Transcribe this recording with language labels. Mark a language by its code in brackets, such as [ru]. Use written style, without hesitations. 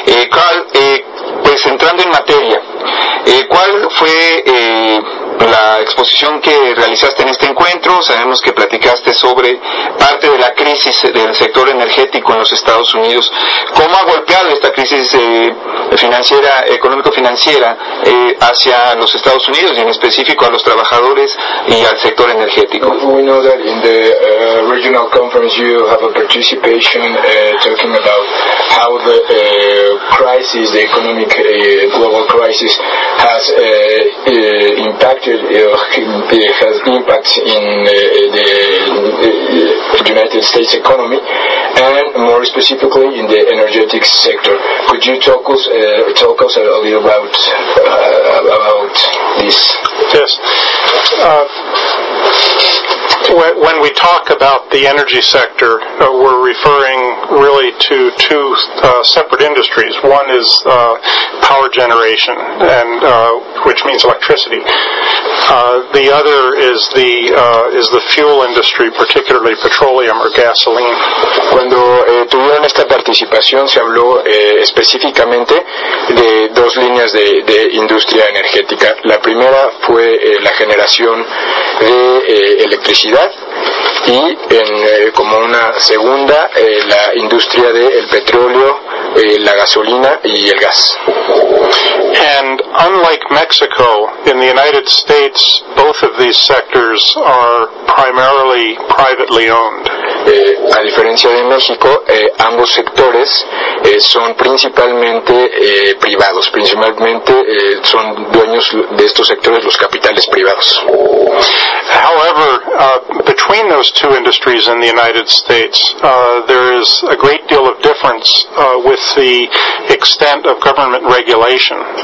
[es] Carl, pues entrando en materia, ¿cuál fue la exposición que realizaste en este encuentro? Sabemos que platicaste sobre parte de la crisis del sector energético en los Estados Unidos. ¿Cómo ha golpeado esta crisis financiera, económico-financiera, hacia los Estados Unidos y en específico a los trabajadores y al sector energético? [en] We know that in the regional conference you have a participation talking about how the crisis, the economic global crisis has impacted has impact in the United States economy and more specifically in the energetic sector. Could you talk us a little about this? Yes. When we talk about the energy sector, we're referring really to two separate industries. One is power generation, and which means electricity. The other is the fuel industry, particularly petroleum or gasoline. [es] Cuando tuvieron esta participación, se habló específicamente de dos líneas de industria energética. La primera fue la generación de electricidad. Y en como una segunda, la industria del petróleo, la gasolina y el gas. [en] And unlike Mexico, in the United States, both of these sectors are primarily privately owned. [es] A diferencia de México, ambos sectores son principalmente privados. Principalmente son dueños de estos sectores los capitales privados. [en] However, between those two industries in the United States, there is a great deal of difference with the extent of government regulation.